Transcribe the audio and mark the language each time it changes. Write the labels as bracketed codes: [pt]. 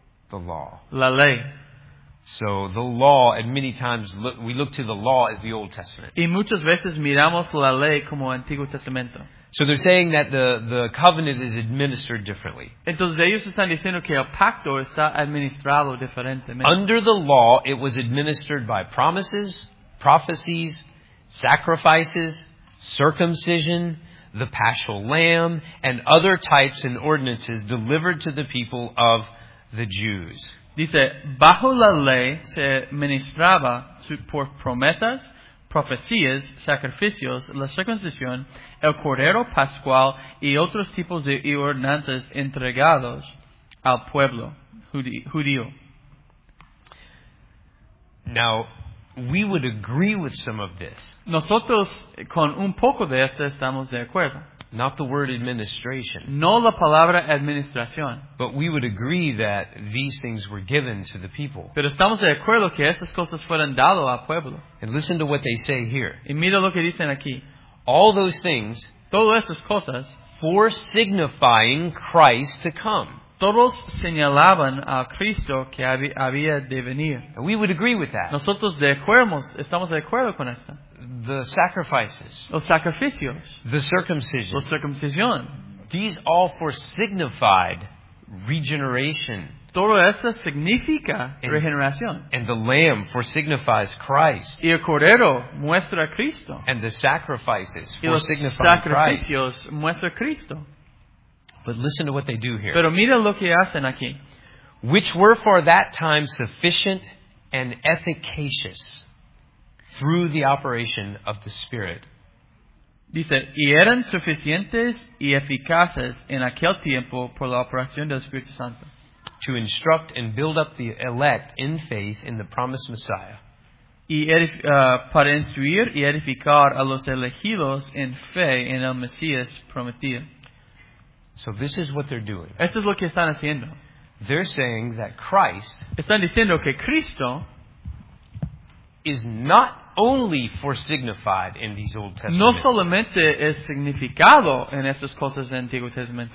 [en] The law. [es] La ley. [en] So the law, and many times we look to the law as the Old Testament. [es] Y muchas veces miramos la ley como Antiguo Testamento. [en] So they're saying that the covenant is administered differently. [es] Entonces ellos están diciendo que el pacto está administrado diferentemente. [en] Under the law, it was administered by promises, prophecies, sacrifices, circumcision, the paschal lamb, and other types and ordinances delivered to the people of the Jews. [es] Dice, bajo la ley se ministraba por promesas, profecías, sacrificios, la circuncisión, el cordero pascual y otros tipos de ordenanzas entregados al pueblo judío. [en] Now, we would agree with some of this. [es] Nosotros con un poco de esto estamos de acuerdo. [en] Not the word administration. [es] No la palabra administración. [en] But we would agree that these things were given to the people. [es] Pero estamos de acuerdo que estas cosas fueron dado al pueblo. [en] And listen to what they say here. [es] Y mira lo que dicen aquí. [en] All those things. [es] Todas estas cosas. [en] For signifying Christ to come. [es] Todos señalaban a Cristo que había de venir. [en] And we would agree with that. [es] Nosotros de acuerdo, estamos de acuerdo con esto. [en] The sacrifices. [es] Los sacrificios. [en] The circumcision. [es] Los circumcisión. [en] These all for signified regeneration. [es] Todo esto significa regeneración. [en] And the lamb for signifies Christ. [es] Y el cordero muestra a Cristo. [en] And the sacrifices for signifying Christ. [es] Y los sacrificios muestra a Cristo. [en] But listen to what they do here. [es] Pero mira lo que hacen aquí. [en] Which were for that time sufficient and efficacious through the operation of the Spirit. [es] Dice, y eran suficientes y eficaces en aquel tiempo por la operación del Espíritu Santo. [en] To instruct and build up the elect in faith in the promised Messiah. [es] Y para instruir y edificar a los elegidos en fe en el Mesías prometido. [en] So this is what they're doing. [es] Esto es lo que están haciendo. [en] They're saying that Christ, [es] están diciendo que Cristo, [en] is not only for signified in these Old Testament. [es] No solamente es significado en estas cosas del Antiguo Testamento.